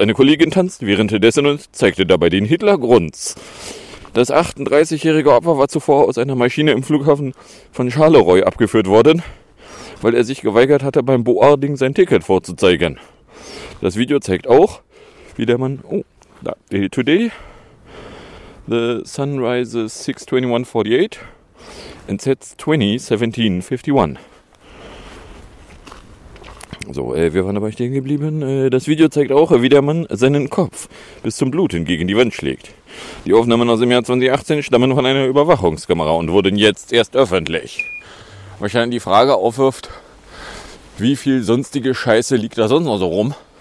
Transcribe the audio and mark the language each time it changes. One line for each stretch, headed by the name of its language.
German: Eine Kollegin tanzte währenddessen und zeigte dabei den Hitlergrunz. Das 38-jährige Opfer war zuvor aus einer Maschine im Flughafen von Charleroi abgeführt worden, weil er sich geweigert hatte, beim Boarding sein Ticket vorzuzeigen. Das Video zeigt auch, wie der Mann...
English: Today, the sunrise is 6:21:48 and sets 20:17:51.
German: So, wir waren dabei stehen geblieben. Das Video zeigt auch, wie der Mann seinen Kopf bis zum Bluten gegen die Wand schlägt. Die Aufnahmen aus dem Jahr 2018 stammen von einer Überwachungskamera und wurden jetzt erst öffentlich. Wahrscheinlich die Frage aufwirft, wie viel sonstige Scheiße liegt da sonst noch so rum?